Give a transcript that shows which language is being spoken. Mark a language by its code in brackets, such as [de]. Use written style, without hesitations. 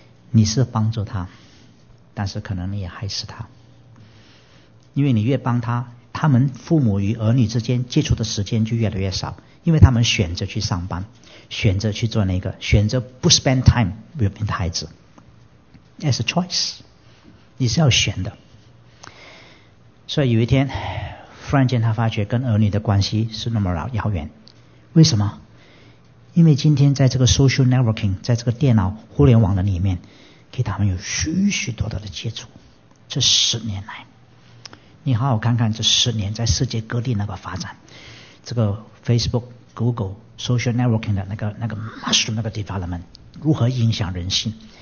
[zh] 你是帮助他，但是可能你也害死他，因为你越帮他，他们父母与儿女之间接触的时间就越来越少，因为他们选择去上班，选择去做那个，选择不 [en] spend time with [zh] 孩子。 [en] That's a choice， [zh] 你是要选的。所以有一天忽然间他发觉跟儿女的关系是那么遥远。为什么？因为今天在这个 [en] social networking， [zh] 在这个电脑互联网的里面，给他们有许许多多的接触。这十年来，你好好看看这十年在世界各地那个发展，这个 Facebook、 Google [en] social networking [zh] 的那个 [en] mushroom [zh] 那个 [en] development [zh] 如何影响人心。